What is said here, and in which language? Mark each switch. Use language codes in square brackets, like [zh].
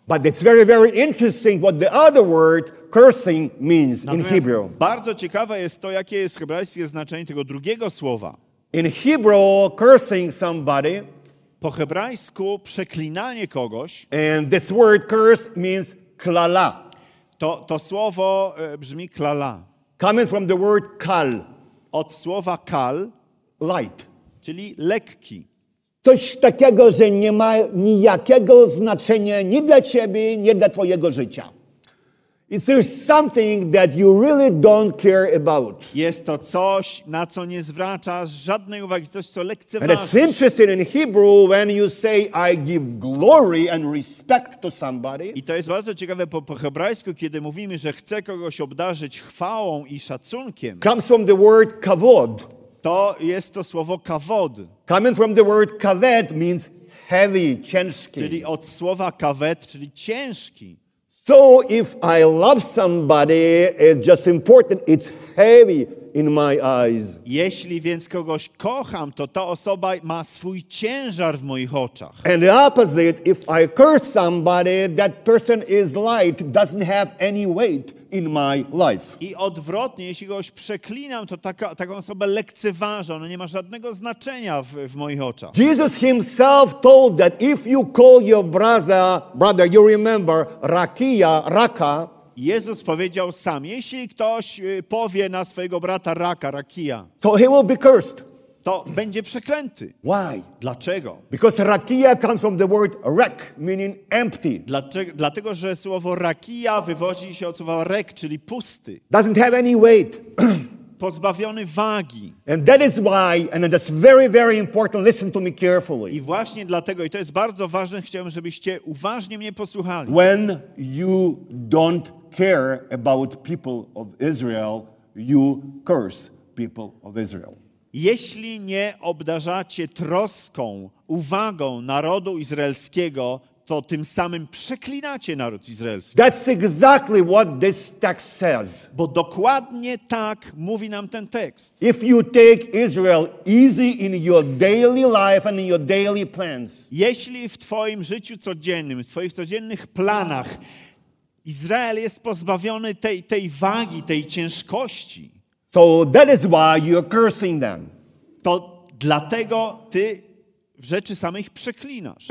[en] But it's very, very interesting what the other word cursing means. [pl] Natomiast [en] in Hebrew. [pl] Bardzo ciekawe jest to, jakie jest hebrajskie znaczenie tego drugiego słowa. [en] In Hebrew, cursing somebody. [pl] Po hebrajsku przeklinanie kogoś. [en] And this word curse means klala. [pl] To słowo brzmi klala. [en] Coming from the word kal. [pl] Od słowa kal, [en] light, [pl] czyli lekki. Coś takiego, że nie ma nijakiego znaczenia ni dla ciebie, ni dla twojego życia. [en] It's there something that you really don't care about. [pl] Jest to coś, na co nie zwracasz żadnej uwagi, coś, co lekceważysz. [en] And it's interesting in Hebrew when you say I give glory and respect to somebody. [pl] I to jest bardzo ciekawe po hebrajsku, kiedy mówimy, że chcę kogoś obdarzyć chwałą i szacunkiem. [en] Comes from the word kavod. [pl] To jest to słowo kavod. [en] Coming from the word kavet means heavy, [pl] ciężki. Czyli od słowa kavet, czyli ciężki. [en] So if I love somebody, it's just important, it's heavy in my eyes. [pl] Jeśli więc kogoś kocham, to ta osoba ma swój ciężar w moich oczach. [en] And the opposite, if I curse somebody, that person is light, doesn't have any weight in my life. [pl] I odwrotnie, jeśli kogoś przeklinam, to taką osobę lekceważę, ona nie ma żadnego znaczenia w moich oczach. [en] Jesus himself told that if you call your brother, you remember, rakia, raka. [pl] Jezus powiedział sam, jeśli ktoś powie na swojego brata raka, rakia, [en] so he will be cursed. [pl] To będzie przeklęty. [en] Why? [pl] Dlaczego? [en] Because rakia comes from the word rek, meaning empty. [pl] Dlatego, że słowo rakia wywodzi się od słowa rek, czyli pusty. [en] Doesn't have any weight. [pl] Pozbawiony wagi. [en] And that is why, and that's very, very important, listen to me carefully. [pl] I właśnie dlatego, i to jest bardzo ważne, chciałbym, żebyście uważnie mnie posłuchali. [en] When you don't care about people of Israel, you curse people of Israel. [pl] Jeśli nie obdarzacie troską, uwagą narodu izraelskiego, to tym samym przeklinacie naród izraelski. [en] That's exactly what this text says. [pl] Bo dokładnie tak mówi nam ten tekst. [en] If you take Israel easy in your daily life and in your daily plans. [pl] Jeśli w twoim życiu codziennym, w twoich codziennych planach Izrael jest pozbawiony tej wagi, tej ciężkości. [en] So that is why you're cursing them. [pl] To dlatego ty w rzeczy samych przeklinasz.